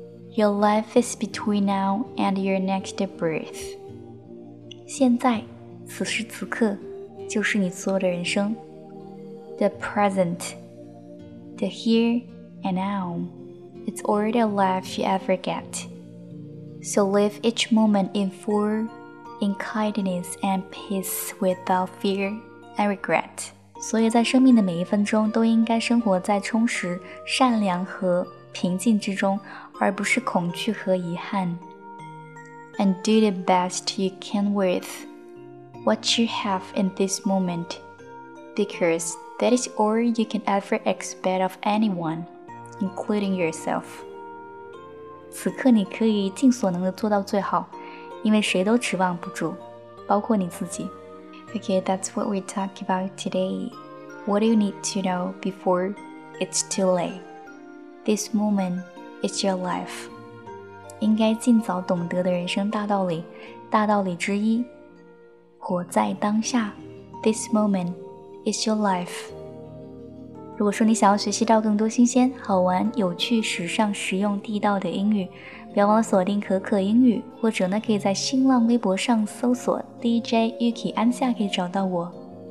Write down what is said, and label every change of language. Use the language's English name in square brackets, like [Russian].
[English] Your life is between now and your next breath。 [Chinese] 现在，此时此刻，就是你所有的人生。 [English] The present, the here and now, it's all the life you ever get. So live each moment in full, in kindness and peace without fear and regret. [Chinese] 所以在生命的每一分钟都应该生活在充实、善良和平静之中，而不是恐惧和遗憾。 [English] And do the best you can with what you have in this moment, because that is all you can ever expect of anyone, including yourself. [Chinese] 此刻你可以尽所能的做到最好，因为谁都指望不住，包括你自己。 [English] Okay, that's what we talk about today. What do you need to know before it's too late? This moment is your life. [Chinese] 应该尽早懂得的人生大道理，大道理之一，活在当下。 [English] This moment is your life. [Chinese] 如果说你想要学习到更多新鲜、好玩、有趣、时尚、实用、地道的英语，不要忘了锁定可可英语，或者呢，可以在新浪微博上搜索 DJ Yuki 安夏，可以找到我。